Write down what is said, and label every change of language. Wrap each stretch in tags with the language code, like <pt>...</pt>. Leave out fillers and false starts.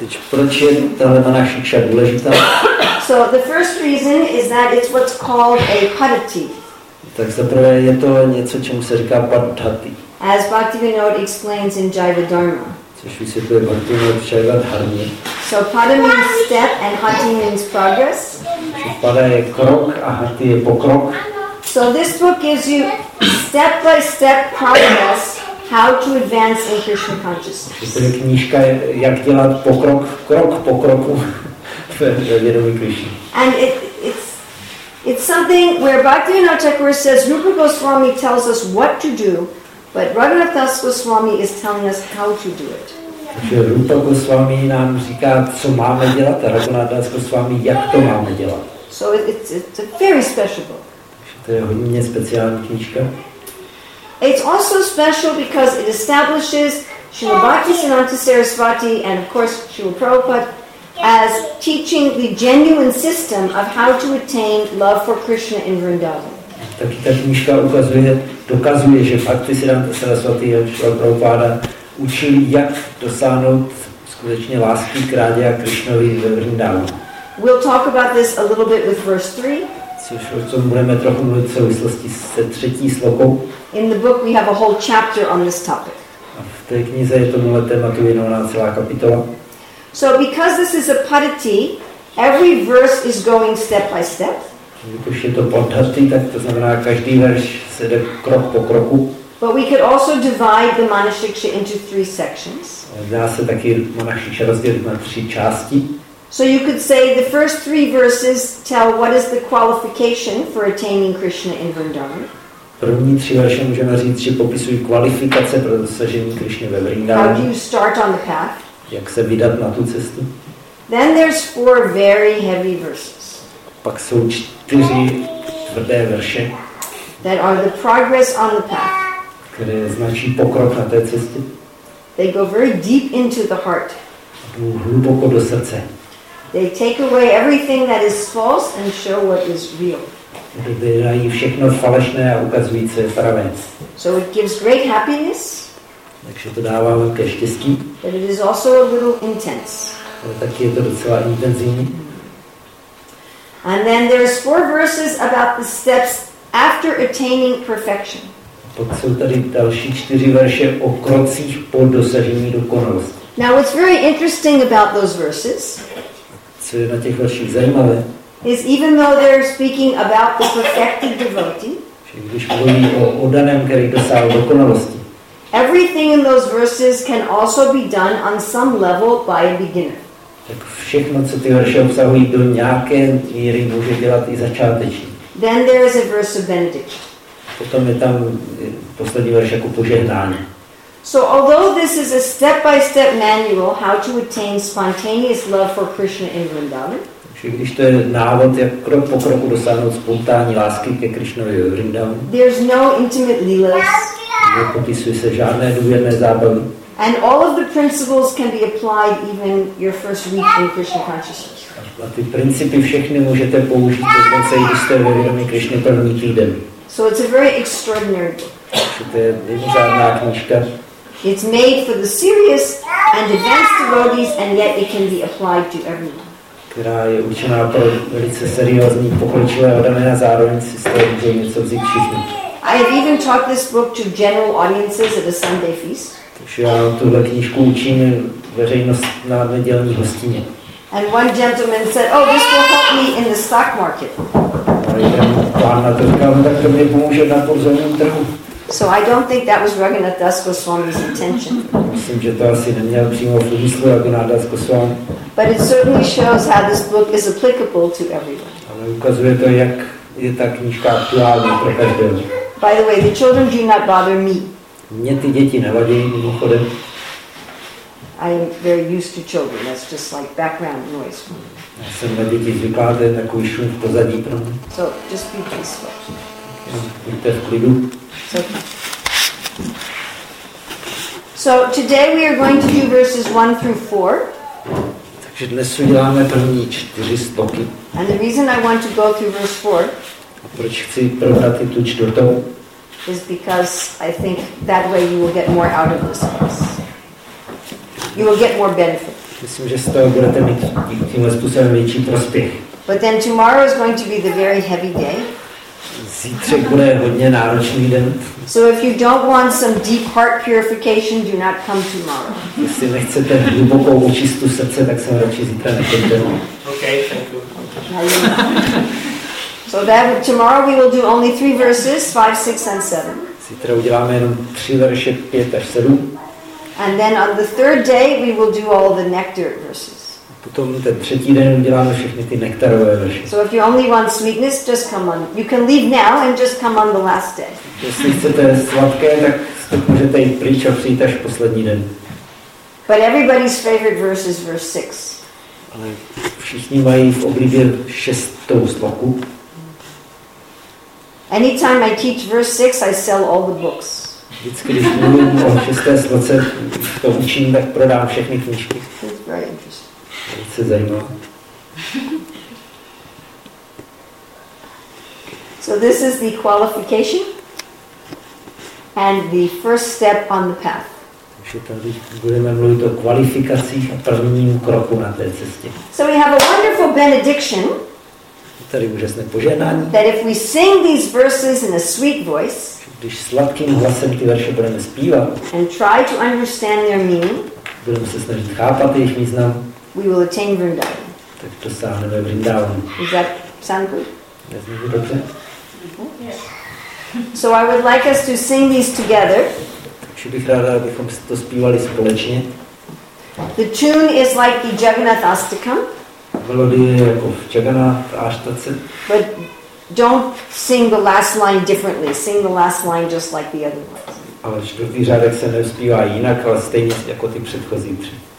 <cs>Proč je tahle Manashiksha důležitá?</cs> <en>So the first reason is that it's what's called a padati.</en> <cs>Tak zaprvé je to něco, čemu se říká padati.</cs> <en>As Bhaktivinoda explains in Jiva Dharma.</en> <cs>Což vysvětluje Bhaktivinoda v Jiva Dharmě.</cs> <en>So pada means step and hati means progress.</en> <cs>Pada je krok a hati je pokrok.</cs> <en>So this book gives you step by step progress how to advance in Krishna consciousness.</en> <cs>Tady knížka je, jak dělat pokrok krok po kroku ve vědomí Krishna.</cs> <en>And it's something where Bhaktivinoda Thakura says Rupa Goswami tells us what to do, but Raghunath Das Goswami is telling us how to do it.</en> <cs>Takže Rupa Goswami nám říká, co máme dělat, a Raghunath Das Goswami, jak to máme dělat.</cs> <en>So it's a very special book.</en> <cs>To je hodně speciální knížka.</cs> <en>It's also special because it establishes Srila Bhakti Siddhanta Sarasvati and of course Srila Prabhupada as teaching the genuine system of how to attain love for Krishna in Vrindavan.</en> <cs>Tak ta knižka ukazuje, dokazuje, že fakt Siddhanta Sarasvati a Srila Prabhupada učili, jak dosáhnout skutečně lásky k Rádě a Krišnovi ve Vrindavanu.</cs> <en>We'll talk about this a little bit with verse 3.</en> <cs>Což o tom budeme trochu mluvit v souvislosti se třetí slokou.</cs> <en>In the book we have a whole chapter on this topic.</en> <cs>A v té knize je tomuhle tématu věnovaná celá kapitola.</cs> <en>So because this is a paditi, every verse is going step by step.</en> <cs>Když je to podhasty, tak to znamená, každý verš se jde krok po kroku.</cs> <en>But we could also divide the Manashiksha into three sections.</en> <cs>Dá se taky Manashiksha rozdělit na tři části.</cs> <en>So you could say the first three verses tell what is the qualification for attaining Krishna in Vrindavan.</en> <cs>První tři verše můžeme říct, že popisují kvalifikace pro dosažení Krishna ve Vrindavanu.</cs> <en>How do you start on the path?</en> <cs>Jak se vydat na tu cestu?</cs> <en>Then there's four very heavy verses.</en> <cs>Pak jsou čtyři tvrdé verše,</cs> <en>that are the progress on the path.</en> <cs>Které značí pokrok na té cestě.</cs> <en>They go very deep into the heart.</en> <cs>Jdou hluboko do srdce.</cs> <en>They take away everything that is false and show what is real.</en> <cs>Vybírají všechno falešné a ukazují, co je pravé.</cs> <en>So it gives great happiness.</en> <cs>Takže to dává velké štěstí.</cs> <en>But it is also a little intense.</en> <cs>Ale taky je to docela intenzivní.</cs> <en>And then there's four verses about the steps after attaining perfection.</en> <cs>Pak jsou tady další čtyři verše o krocích po dosažení dokonalosti.</cs> <en>Now what's very interesting about those verses?</en> <cs>Co je na těch verších zajímavé?</cs> <en>Is even though they're speaking about the perfected devotee.</en> <cs>Že když mluví o oddaném, který dosáhl dokonalosti.</cs> <en>Everything in those verses can also be done on some level by a beginner.</en> <cs>Tak všechno, co ty verše obsahují, do nějaké míry může dělat i začátečník.</cs> <en>Then there is a verse of benediction.</en> <cs>Potom je tam poslední verš jako požehnání.</cs> <en>So although this is a step-by-step manual how to attain spontaneous love for Krishna in Vrindavan.</en> <cs>Takže když to je návod, jak krok po kroku dosáhnout spontánní lásky ke Krišnovi v Vrindavanu.</cs> <en>There's no intimate leelas.</en> <cs>Nepopisuje se žádné důvěrné zábavy.</cs> <en>And all of the principles can be applied even your first week in Krishna consciousness.</en> <cs>A ty principy všechny můžete použít dokonce i když jste ve vědomí Krishna první týden.</cs> <en>So it's a very extraordinary book.</en> <cs>To je mimořádná knížka.</cs> <en>It's made for the serious and advanced devotees and yet it can be applied to everyone.</en> <cs>Která je učená pro velice seriózní, pokročilé odané a zároveň si z toho může něco vzít všichni.</cs> <en>I have even taught this book to general audiences at a Sunday feast.</en> <cs>Takže já tuhle knížku učím veřejnost na nedělní hostině.</cs> <en>And one gentleman said, oh, this will help me in the stock market.</en> <cs>A jeden pán na to říkal, tak to mě pomůže na pozorném trhu.</cs> <en>So I don't think that was Raghunath Das Goswami's intention.</en> <cs>Myslím, že to asi neměl přímo v úmyslu Raghunath Das Goswami.</cs> <en>But it certainly shows how this book is applicable to everyone.</en> <cs>Ale ukazuje to, jak je ta knížka aktuální pro každého.</cs> <en>By the way, the children do not bother me.</en> <cs>Mně ty děti nevadí, mimochodem.</cs> <en>I am very used to children. That's just like background noise for me.</en> <cs>Já jsem na děti zvyklá, to je takový šum v pozadí pro mě.</cs> <en>So, just be peaceful.</en> <cs>Buďte v klidu.</cs> <en>So, today we are going to do verses 1 through 4.</en> <cs>Takže dnes uděláme první čtyři sloky.</cs> <en>And the reason I want to go through verse 4.</en> <cs>A proč chci probrat i tu čtvrtou?</cs> <en>Is because I think that way you will get more out of this course. You will get more benefit.</en> <cs>Myslím, že z toho budete mít tímhle způsobem větší prospěch.</cs> <en>But then tomorrow is going to be the very heavy day.</en> <cs>Zítřek bude hodně náročný den.</cs> <en>So if you don't want some deep heart purification, do not come tomorrow.</en> <cs>Jestli nechcete hlubokou očistu srdce, tak jsem radši zítra nechodil.</cs> <en>Okay, thank you. So that tomorrow we will do only three verses, 5, 6, and 7.</en> <cs>Zítra uděláme jenom tři verše, 5 až 7.</cs> <en>And then on the third day we will do all the nectar verses.</en> <cs>Potom ten třetí den uděláme všechny ty nektarové verše.</cs> <en>So if you only want sweetness, just come on. You can leave now and just come on the last day.</en> <cs>Jestli chcete sladké, tak můžete jít pryč a přijít až poslední den.</cs> <en>But everybody's favorite verse is verse 6.</en> <cs>Ale všichni mají v oblíbě 6. sloku.</cs> <en>Anytime I teach verse 6, I sell all the books.</en> <cs>Vždycky, když mluvím o šesté sloce, to učím, tak prodám všechny knížky.</cs> <en>It's very interesting.</en> <cs>Velice zajímavé.</cs> <en>So this is the qualification and the first step on the path.</en> <cs>Takže tady budeme mluvit o kvalifikacích a prvním kroku na té cestě.</cs> <en>So we have a wonderful benediction.</en> <cs>Tady úžasné požehnání.</cs> <en>That if we sing these verses in a sweet voice.</en> <cs>Když sladkým hlasem ty verše budeme zpívat.</cs> <en>And try to understand their meaning.</en> <cs>Budeme se snažit chápat jejich význam.</cs> <en>We will attain Vrindavan.</en> <cs>Tak dosáhneme Vrindavan.</cs> <en>Does that sound good?</en> <cs>Dobře.</cs> <en>So I would like us to sing these together.</en> <cs>Takže bych ráda, abychom to zpívali společně.</cs> <en>The tune is like the Jagannath Astakam.</en> <cs>Melodie je jako v Jagannath Astakam.</cs> <en>But don't sing the last line differently. Sing the last line just like the other ones.</en> <cs>Ale čtvrtý řádek se nezpívá jinak, ale stejně jako ty předchozí tři.</cs>